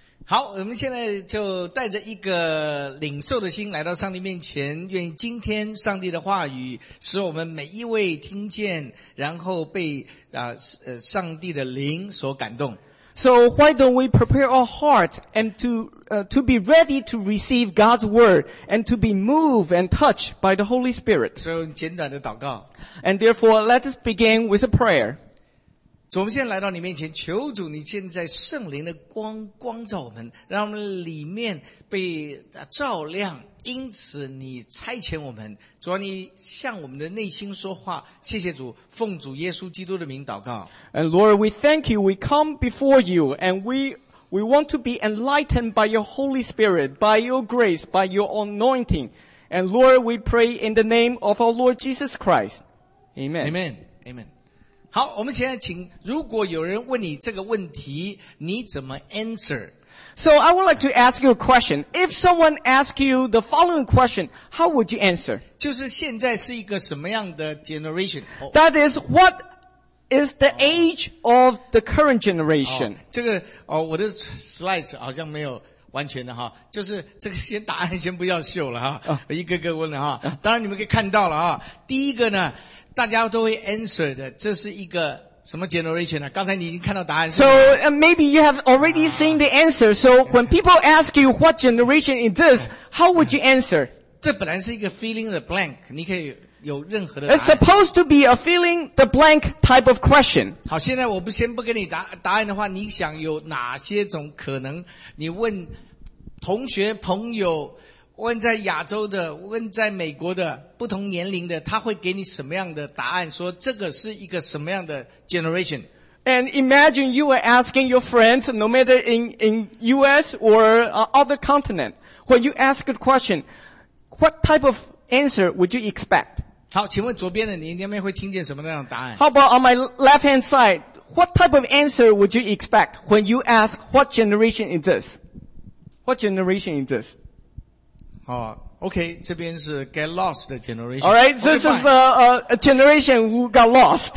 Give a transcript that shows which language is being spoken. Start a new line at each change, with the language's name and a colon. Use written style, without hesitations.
Chinese: 好，我们现在就带着一个领受的心来到上帝面前，愿今天上帝的话语使我们每一位听见，然后被上帝的灵所感动。
English: So why don't we prepare our hearts and to be ready to receive God's word and to be moved and touched by the Holy Spirit?
Chinese: So 简短的祷告。
English: And therefore, let us begin with a prayer.
Chinese: 主，我们现在来到你面前，求主你现在圣灵的光光照我们，让我们里面被照亮，因此你差遣我们。主啊，你向我们的内心说话，谢谢主，奉主耶稣基督的名祷告。
English: And Lord, we thank you, we come before you, and we want to be enlightened by your Holy Spirit, by your grace, by your anointing. And Lord, we pray in the name of our Lord Jesus Christ. Amen. Amen. Amen.
Chinese: 好，我们现在请，如果有人问你这个问题，你怎么 answer?
English: So I would like to ask you a question. If someone asks you the following question, how would you answer?
Chinese: 就是现在是一个什么样的 generation?
English: That is, what is the age of the current generation?
Chinese: 这个我的 slides 好像没有完全的哈，就是这个先答案先不要秀了哈，一个个问了哈。当然你们可以看到了哈，第一个呢大家都会 answer 的，这是一个什么 generation 呢？刚才你已经看到答案。
English: So maybe you have already seen the answer. So when people ask you what generation is this, how would you answer?
Chinese: 这本来是一个 filling the blank， 你可以有任何的答
English: 案。It's supposed to be a filling the blank type of question.
Chinese: 好，现在我不先不给你答案的话，你想有哪些种可能？你问同学朋友。问在亚洲的，问在美国的，不同年龄的，他会给你什么样的答案？说这个是一个什么样的 generation？
English: And imagine you are asking your friends, no matter in US or other continent, when you ask a question, what type of answer would you expect?
Chinese: 好，请问左边的你，你那边会听见什么样的答案？
English: How about on my left hand side? What type of answer would you expect when you ask what generation is this? What generation is this? Oh,
Chinese: Okay, 这边是
English: get lost
Chinese: 的 generation.
English: Alright, this okay, is a generation who got lost.